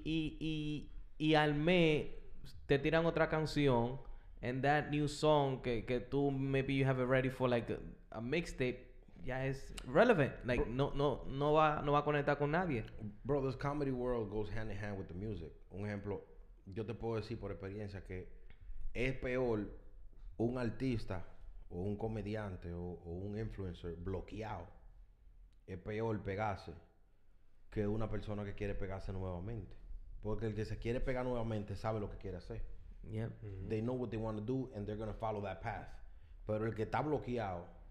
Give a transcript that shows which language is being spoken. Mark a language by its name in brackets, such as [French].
[Spanish] Y al mes, te tiran otra canción. [English] And that new song [Spanish] que tú, [English] maybe you have it ready for, like, a mixtape, [Spanish] ya es [English] relevant. [Spanish] Like, bro, no va a conectar con nadie. [English] Bro, this comedy world goes hand in hand with the music. [Spanish] Un ejemplo, yo te puedo decir por experiencia que es peor un artista o un comediante o un influencer bloqueado. Es peor pegarse que una persona que quiere pegarse nuevamente. Porque el que se quiere pegar nuevamente sabe lo que quiere hacer. [English] Yep. Mm-hmm. They know what they want to do and they're going to follow that path. [Spanish] Pero el que está bloqueado,